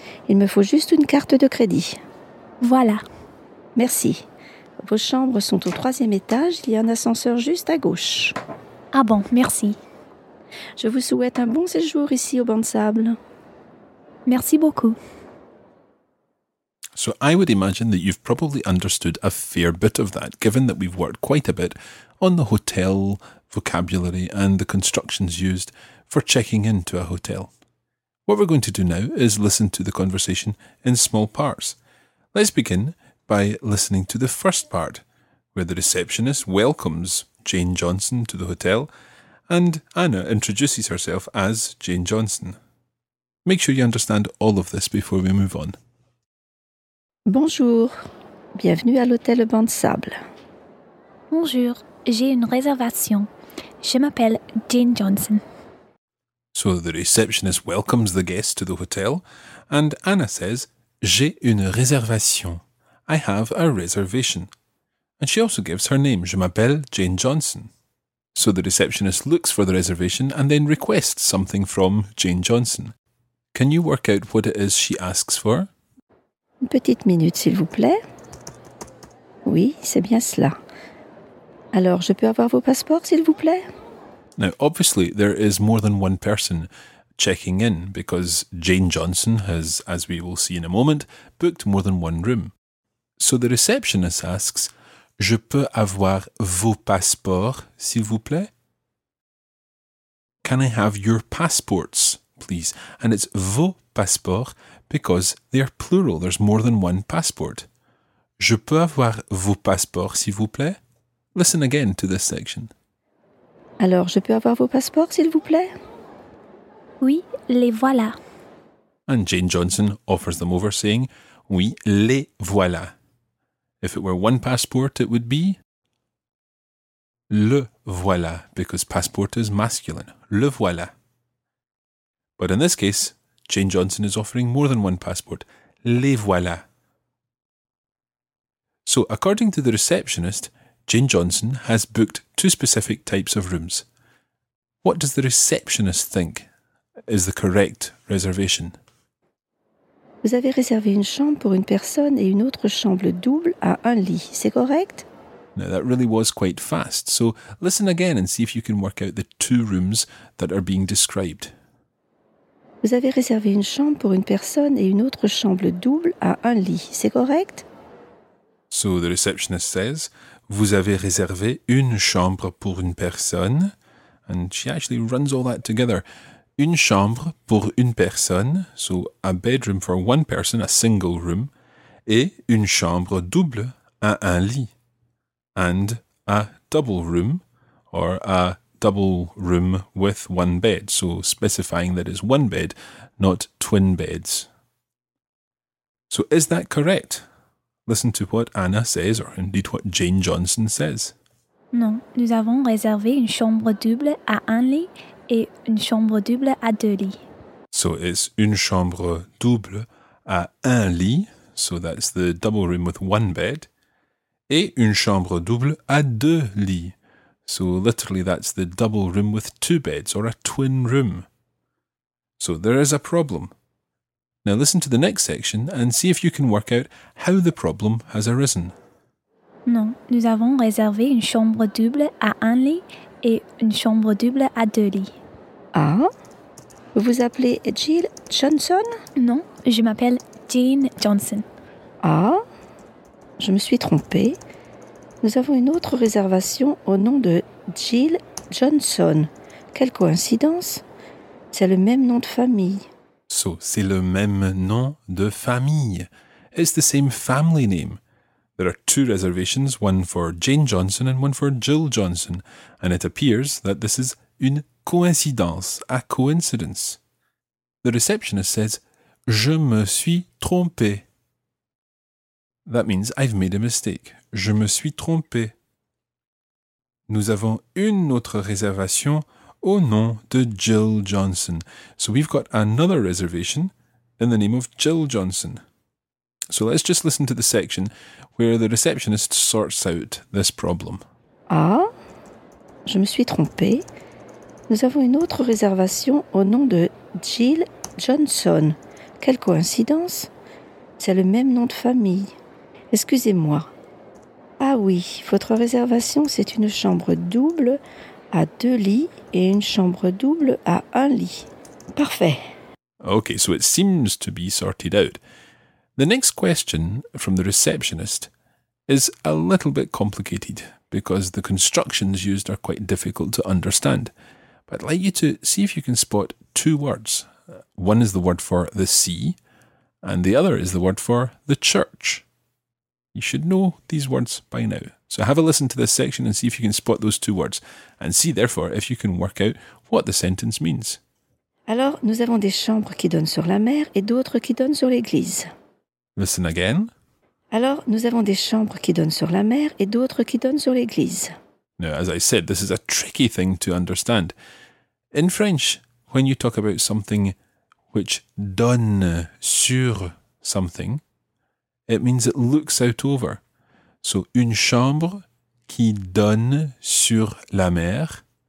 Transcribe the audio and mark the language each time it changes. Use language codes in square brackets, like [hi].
[fr] Il me faut juste une carte de crédit. Voilà. Merci. Vos chambres sont au troisième étage. Il y a un ascenseur juste à gauche. Ah bon, merci. Je vous souhaite un bon séjour ici au banc de sable. Merci beaucoup. [en] So I would imagine that you've probably understood a fair bit of that, given that we've worked quite a bit on the hotel vocabulary and the constructions used for checking into a hotel. What we're going to do now is listen to the conversation in small parts. Let's begin by listening to the first part, where the receptionist welcomes Jane Johnson to the hotel and Anna introduces herself as Jane Johnson. Make sure you understand all of this before we move on. [fr] Bonjour, bienvenue à l'hôtel Le Banc de Sable. Bonjour, j'ai une réservation. Je m'appelle Jane Johnson. [en] So the receptionist welcomes the guest to the hotel and Anna says, [fr] j'ai une réservation. [en] I have a reservation. And she also gives her name, [fr] je m'appelle Jane Johnson. [en] So the receptionist looks for the reservation and then requests something from Jane Johnson. Can you work out what it is she asks for? [fr] Une petite minute, s'il vous plaît. Oui, c'est bien cela. Alors, je peux avoir vos passeports, s'il vous plaît? [en] Now, obviously, there is more than one person checking in because Jane Johnson has, as we will see in a moment, booked more than one room. So the receptionist asks, [fr] Je peux avoir vos passeports, s'il vous plaît? [en] Can I have your passports, please? And it's [fr] vos passeports [en] because they're plural. There's more than one passport. [fr] Je peux avoir vos passeports, s'il vous plaît? [en] Listen again to this section. [fr] Alors, je peux avoir vos passeports, s'il vous plaît? Oui, les voilà. [en] And Jane Johnson offers them over saying, [fr] Oui, les voilà. [en] If it were one passport, it would be [fr] le voilà, [en] because passport is masculine. [fr] Le voilà. [en] But in this case, Jane Johnson is offering more than one passport. [fr] Les voilà. [en] So, according to the receptionist, Jane Johnson has booked two specific types of rooms. What does the receptionist think is the correct reservation? [fr] Vous avez réservé une chambre pour une personne et une autre chambre double à un lit, c'est correct? [en] Now that really was quite fast, so listen again and see if you can work out the two rooms that are being described. [fr] Vous avez réservé une chambre pour une personne et une autre chambre double à un lit, c'est correct? [en] So the receptionist says, [fr] Vous avez réservé une chambre pour une personne. [en] And she actually runs all that together. [fr] Une chambre pour une personne, [en] so a bedroom for one person, a single room, [fr] et une chambre double à un lit, [en] and a double room, or a double room with one bed, so specifying that it's one bed, not twin beds. So is that correct? Listen to what Anna says, or indeed what Jane Johnson says. [fr] Non, nous avons réservé une chambre double à un lit, et une chambre double à deux lits. [en] So it's [fr] une chambre double à un lit, [en] so that's the double room with one bed, [fr] et une chambre double à deux lits, [en] so literally that's the double room with two beds, or a twin room. So there is a problem. Now listen to the next section and see if you can work out how the problem has arisen. [fr] Non, nous avons réservé une chambre double à un lit et une chambre double à deux lits. Ah, vous appelez Jill Johnson? Non, je m'appelle Jane Johnson. Ah, je me suis trompée. Nous avons une autre réservation au nom de Jill Johnson. Quelle coïncidence! C'est le même nom de famille. So, c'est le même nom de famille. [en] It's the same family name. There are two reservations, one for Jane Johnson and one for Jill Johnson. And it appears that this is [fr] une coïncidence, [en] a coincidence. The receptionist says, [fr] Je me suis trompé. [en] That means I've made a mistake. [fr] Je me suis trompé. Nous avons une autre réservation au nom de Jill Johnson. [en] So we've got another reservation in the name of Jill Johnson. So let's just listen to the section where the receptionist sorts out this problem. [fr] Ah, je me suis trompé. Nous avons une autre réservation au nom de Jill Johnson. Quelle coïncidence! C'est le même nom de famille. Excusez-moi. Ah oui, votre réservation, c'est une chambre double à deux lits et une chambre double à un lit. Parfait. [en] Okay, so it seems to be sorted out. The next question from the receptionist is a little bit complicated because the constructions used are quite difficult to understand. I'd like you to see if you can spot two words. One is the word for the sea, and the other is the word for the church. You should know these words by now. So have a listen to this section and see if you can spot those two words, and see, therefore, if you can work out what the sentence means. [fr] Alors, nous avons des chambres qui donnent sur la mer et d'autres qui donnent sur l'église. [en] Listen again. [fr] Alors, nous avons des chambres qui donnent sur la mer et d'autres qui donnent sur l'église. [en] Now, as I said, this is a tricky thing to understand. In French, when you talk about something which [fr] donne sur [en] something, it means it looks out over. So, [fr] une chambre qui donne sur la mer,